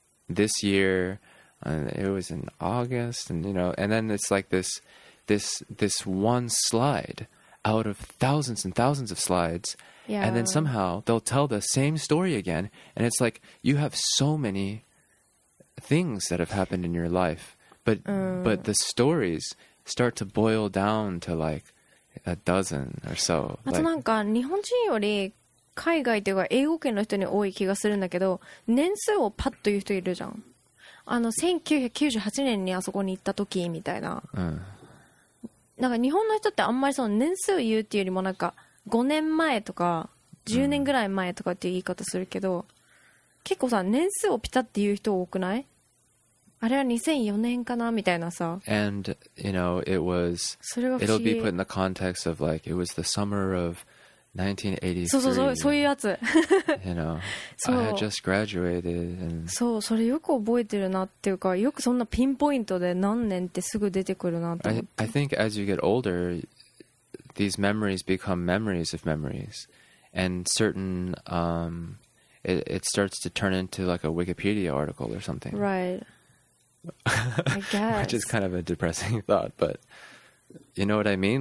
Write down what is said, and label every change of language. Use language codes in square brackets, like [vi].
[en] This year, it was in August, and, you know, and then it's like this one slide out of thousands and thousands of slides. Yeah. And then somehow they'll tell the same story again. And it's like, you have so many things that have happened in your life, but but the stories start to boil down to like a dozen or so. [ja] あとなんか日本人より海外というか英語圏の人に多い気がするんだけど、年数をパッと言う人いるじゃん。あの1998年にあそこに行った時みたいな。なんか日本の人ってあんまりその年数言うっていうよりもなんか5年前とか10年ぐらい前とかっていう言い方するけど、結構さ年数をピタッて言う人多くない？あれは2004年かなみたいなさ。 [en] And you know it was it'll be put in the context of like it was the summer of 1983. [ja] そうそうそう、そういうやつ。 [en] You know I had just graduated and... [ja] そう、それよく覚えてるなっていうか、よくそんなピンポイントで何年ってすぐ出てくるなって思って。 [en] I think as you get older these memories become memories of memories and certain it starts to turn into like a Wikipedia article or something. Right. I guess. Which is kind of a depressing thought, but you know what I mean?